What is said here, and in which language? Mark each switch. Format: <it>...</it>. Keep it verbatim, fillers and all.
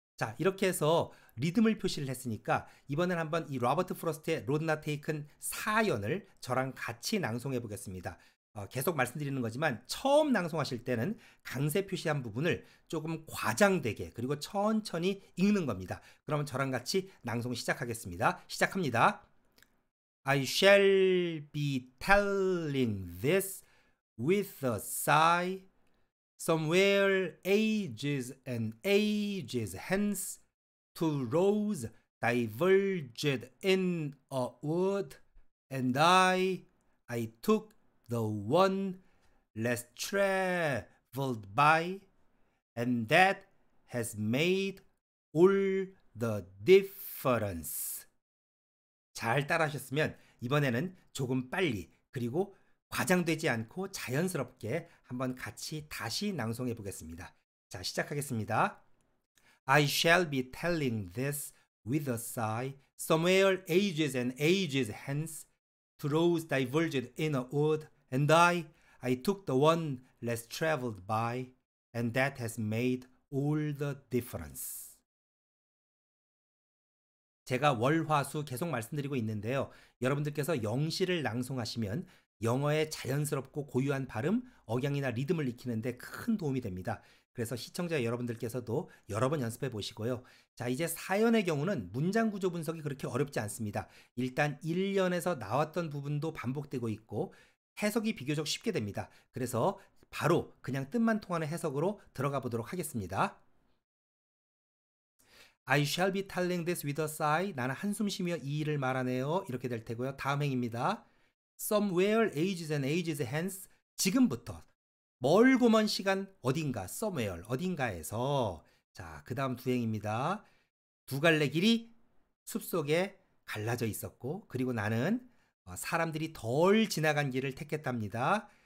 <ko>자, 이렇게 해서 리듬을 표시를 했으니까 이번엔 한번 이 로버트 프로스트의 로드 낫 테이큰 사연을 저랑 같이 낭송해 보겠습니다. 어, 계속 말씀드리는 거지만 처음 낭송하실 때는 강세 표시한 부분을 조금 과장되게 그리고 천천히 읽는 겁니다. 그러면 저랑 같이 낭송 시작하겠습니다. 시작합니다.</ko> <en>I shall be telling this with a sigh. Somewhere ages and ages hence, two roads diverged in a wood, and I, I took the one less traveled by, and that has made all the difference.</en> <ko>잘 따라하셨으면 이번에는 조금 빨리 그리고 과장되지 않고 자연스럽게 한번 같이 다시 낭송해 보겠습니다. 자, 시작하겠습니다.</ko> <en>I shall be telling this with a sigh. Somewhere ages and ages hence, two roads diverged in a wood, and I, I took the one less traveled by, and that has made all the difference.</en> <ko>제가 월화수 계속 말씀드리고 있는데요. 여러분들께서 영시를 낭송하시면 영어의 자연스럽고 고유한 발음, 억양이나 리듬을 익히는데 큰 도움이 됩니다. 그래서 시청자 여러분들께서도 여러 번 연습해 보시고요. 자, 이제 사연의 경우는 문장 구조 분석이 그렇게 어렵지 않습니다. 일단 일 년에서 나왔던 부분도 반복되고 있고 해석이 비교적 쉽게 됩니다. 그래서 바로 그냥 뜻만 통하는 해석으로 들어가 보도록 하겠습니다.</ko> <en>I shall be telling this with a sigh.</en> <ko>나는 한숨 쉬며 이 일을 말하네요. 이렇게 될 테고요. 다음 행입니다.</ko> <en>Somewhere ages and ages hence.</en> <ko>지금부터 멀고 먼 시간 어딘가 somewhere 어딘가에서 자, 그 다음 두 행입니다. 두 갈래 길이 숲속에 갈라져 있었고 그리고 나는 사람들이 덜 지나간 길을 택했답니다.</ko>